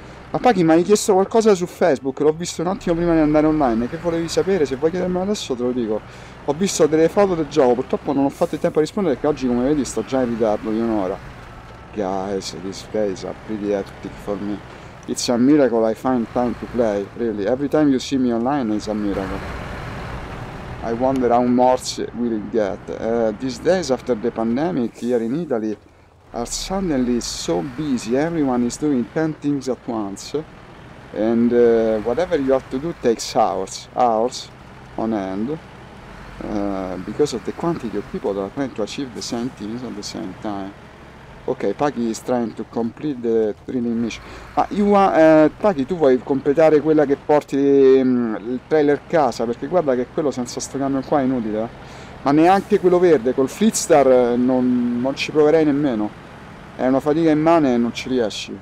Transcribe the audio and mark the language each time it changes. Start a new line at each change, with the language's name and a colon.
Italian: Ma Paghi, mi hai chiesto qualcosa su Facebook? L'ho visto un attimo prima di andare online. Che volevi sapere? Se vuoi chiedermi adesso, te lo dico. Ho visto delle foto del gioco. Purtroppo non ho fatto il tempo a rispondere, perché oggi, come vedi, sto già in ritardo di un'ora.
English: Guys, this place are pretty hectic for me. It's a miracle I find time to play, really. Every time you see me online, it's a miracle. I wonder how much will it get. These days after the pandemic here in Italy are suddenly so busy. Everyone is doing 10 things at once. And whatever you have to do takes hours on end. Because of the quantity of people that are trying to achieve the same things at the same time. Okay, Paghi is trying to complete the training mission.
Italian: Paghi, tu vuoi completare quella che porti il trailer a casa? Perché guarda che quello senza sto camion qua è inutile. Eh? Ma neanche quello verde, col Fleetstar non ci proverei nemmeno. È una fatica immane e non ci riesci.